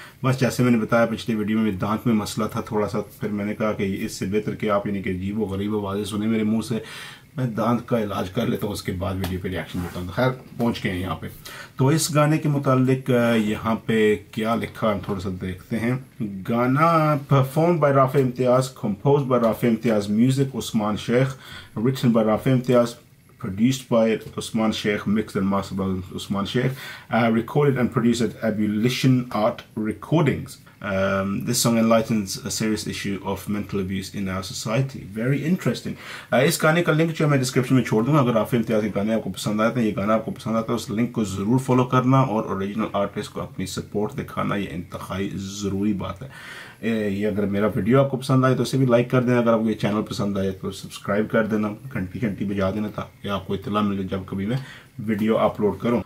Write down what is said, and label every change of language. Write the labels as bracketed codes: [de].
[ur] بس جیسے میں نے بتایا پچھلے ویڈیو میں دانت میں مسئلہ تھا تھوڑا سا, پھر میں نے کہا کہ اس سے بہتر کہ آپ یعنی کہ عجیب و غریب آوازیں سنیں میرے منہ سے, میں دانت کا علاج کر لیتا ہوں اس کے بعد ویڈیو پہ ریاکشن دیتا ہوں. خیر پہنچ گئے ہیں یہاں پہ. تو اس گانے کے متعلق یہاں پہ کیا لکھا ہم تھوڑا سا دیکھتے ہیں. [en] گانا perform by Rafay Imtiaz, compose by Rafay Imtiaz, music Usman Sheikh, written by Rafay Imtiaz, produced by Usman Sheikh, mixed and mastered by Usman Sheikh, recorded and produced at Abolition Art Recordings. This song enlightens a serious issue of mental abuse in our society. Very interesting. [ur] اس گانے کا link جو میں description میں چھوڑ دوں گا, اگر رافع امتیاز کے گانے آپ کو پسند آئے تھے, یہ گانا آپ کو پسند آتا ہے, اس لنک کو ضرور فالو کرنا اور اوریجنل آرٹسٹ کو اپنی سپورٹ دکھانا یہ انتہائی ضروری بات ہے. یہ اگر میرا ویڈیو آپ کو پسند آئے تو اسے بھی لائک کر دینا, اگر آپ کو یہ چینل پسند آئے تو سبسکرائب کر دینا, گھنٹی گھنٹی بجا دینا تھا یا آپ کو اطلاع ملے جب کبھی میں ویڈیو اپلوڈ کروں.